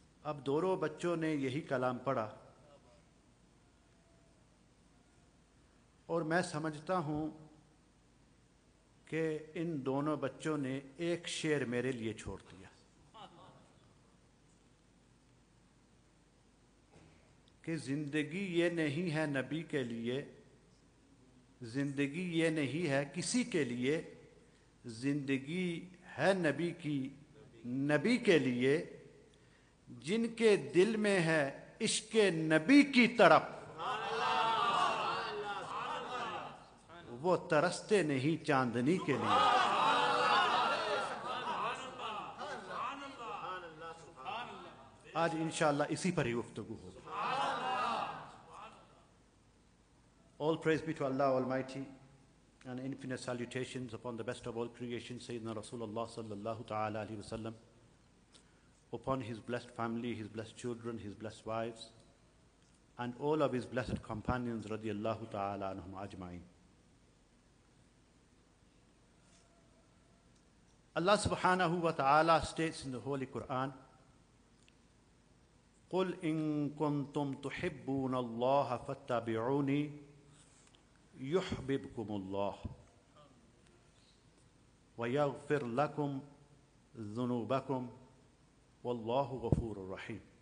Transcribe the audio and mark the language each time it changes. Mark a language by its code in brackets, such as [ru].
[ur] اب دونوں بچوں نے یہی کلام پڑھا اور میں سمجھتا ہوں کہ ان دونوں بچوں نے ایک شعر میرے لیے چھوڑ دیا کہ زندگی یہ نہیں ہے نبی کے لیے، زندگی یہ نہیں ہے کسی کے لیے، زندگی ہے نبی کی، نبی کے لیے جن کے دل میں ہے عشق نبی کی طرف، وہ ترستے نہیں چاندنی کے لیے۔ آج انشاءاللہ اسی پر ہی گفتگو ہوگی۔ [en] All praise be to Allah Almighty and infinite salutations upon the best of all creation, Sayyidina Rasulullah sallallahu ta'ala alayhi wa sallam, upon his blessed family, his blessed children, his blessed wives, and all of his blessed companions radiyallahu ta'ala anhum ajma'in. Allah subhanahu wa ta'ala states in the Holy Quran, [ar] قُلْ إِن كُنْتُمْ تُحِبُّونَ اللَّهَ فَاتَّبِعُونِي يُحْبِبْكُمُ اللَّهُ وَيَغْفِرْ لَكُمْ ذُنُوبَكُمْ وَاللَّهُ غَفُورُ الرَّحِيمُ.